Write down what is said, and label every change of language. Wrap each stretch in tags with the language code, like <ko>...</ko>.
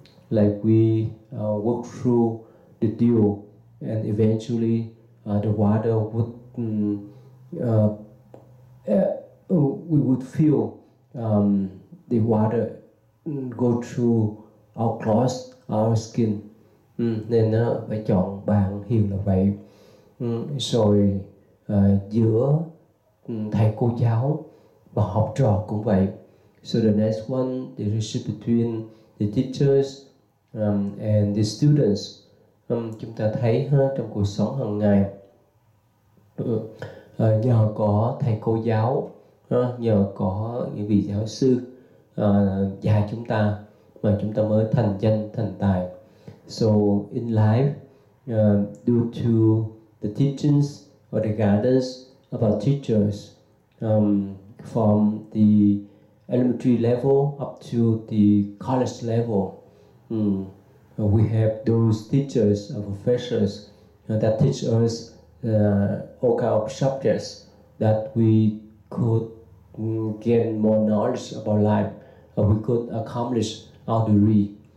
<en>Like we walk through the dew, and eventually the water would we would feel the water go through our clothes, our skin.</en> <vi>Nên phải chọn bạn hiền là vậy. Rồi giữa thầy cô giáo và học trò cũng vậy.</vi> <en>So the next one, the relationship between the teachers and the students.</en> <vi>Chúng ta thấy trong cuộc sống hàng ngày, nhờ có thầy cô giáo, nhờ có những vị giáo sư dạy chúng ta mà chúng ta mới thành danh thành tài.</vi> <en>So in life, due to the teachings or the guidance of our teachers, from the elementary level up to the college level, we have those teachers or professors that teach us all kinds of subjects that we could gain more knowledge about life, or we could accomplish our degree.</en>